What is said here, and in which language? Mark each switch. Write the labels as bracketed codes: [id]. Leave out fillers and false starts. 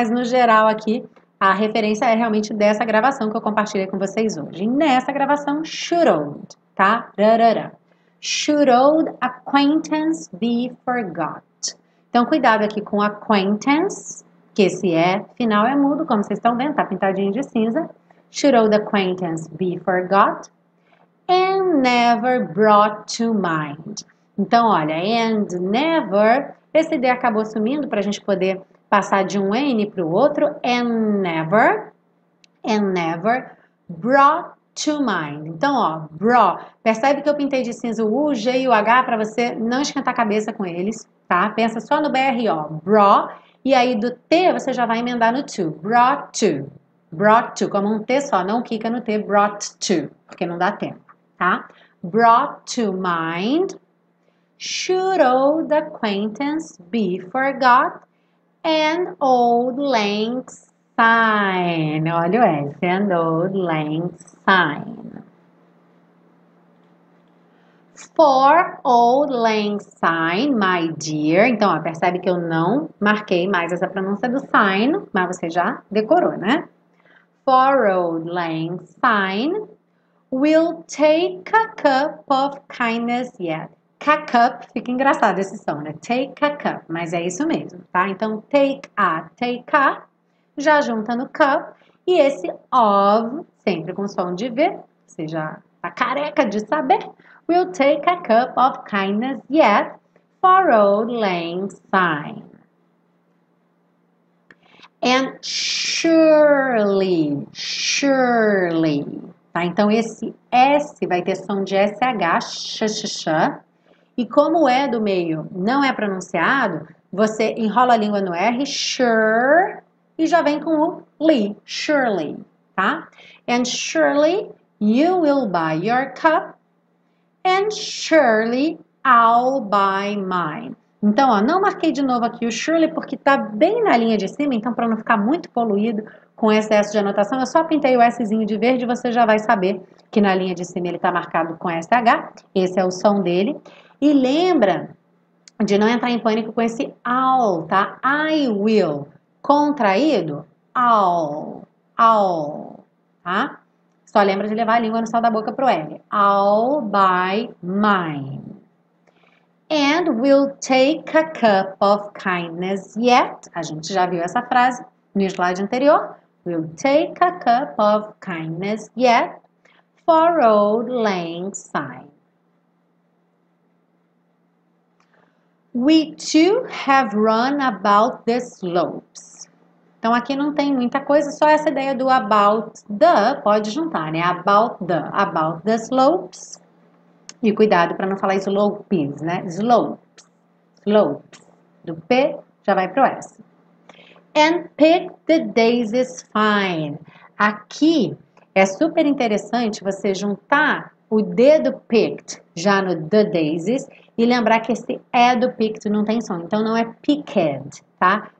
[pt] Mas no geral aqui a referência é realmente dessa gravação que eu compartilhei com vocês hoje. Nessa gravação, [en] should old, [pt] tá? Rarara. [en] Should old acquaintance be forgot? [pt] Então, cuidado aqui com acquaintance. Que esse é, final é mudo, como vocês estão vendo, tá pintadinho de cinza. [en] Should old acquaintance be forgot and never brought to mind. [pt] Então, olha, [en] and never, [pt] esse D acabou sumindo para a gente poder passar de um N para o outro. [en] And never brought to mind. [pt] Então, ó, bro, percebe que eu pintei de cinza o U, G e o H para você não esquentar a cabeça com eles, tá? Pensa só no BR, ó, bro. E aí, do T você já vai emendar no to. [en] Brought to. [pt] Como um T só, não quica no T. [en] Brought to. [pt] Porque não dá tempo, tá? [en] Brought to mind. Should old acquaintance be forgot and old lang syne. [pt] Olha o S. [en] And old lang syne. For auld lang syne, my dear. [pt] Então, ó, percebe que eu não marquei mais essa pronúncia do syne, mas você já decorou, né? [en] For auld lang syne, we'll take a cup of kindness yet. [pt] Cup, fica engraçado esse som, né? [en] Take a cup, [pt] mas é isso mesmo, tá? Então, [en] take a, [pt] já junta no cup, e esse of, sempre com som de V, você já tá careca de saber. [en] We'll take a cup of kindness yet for auld lang syne. And surely, surely. [pt] Tá? Então, esse S vai ter som de SH, sh. E como o E do meio não é pronunciado, você enrola a língua no R, sure, e já vem com o li, surely. tá? [en] And surely you will buy your cup, and surely I'll buy mine. [pt] Então, ó, não marquei de novo aqui o surely porque tá bem na linha de cima, então para não ficar muito poluído com excesso de anotação, eu só pintei o Szinho de verde, você já vai saber que na linha de cima ele tá marcado com SH. Esse é o som dele. E lembra de não entrar em pânico com esse I'll, tá? [en] I will, [pt] contraído, [en] I'll, I'll, tá? [pt] Só lembra de levar a língua no céu da boca pro L. [en] I'll buy mine. And we'll take a cup of kindness yet. [pt] A gente já viu essa frase no slide anterior. [en] We'll take a cup of kindness yet for auld lang syne. We too have run about the slopes. [pt] Então aqui não tem muita coisa, só essa ideia do [en] about the, [pt] pode juntar, né? [en] About the slopes. [pt] E cuidado para não falar slopes, né? [en] Slopes, slopes. [pt] Do P já vai pro S. [en] And pick the daisies fine. [pt] Aqui é super interessante você juntar o D do picked já no the daisies e lembrar que esse E do picked não tem som, então não é picked, tá?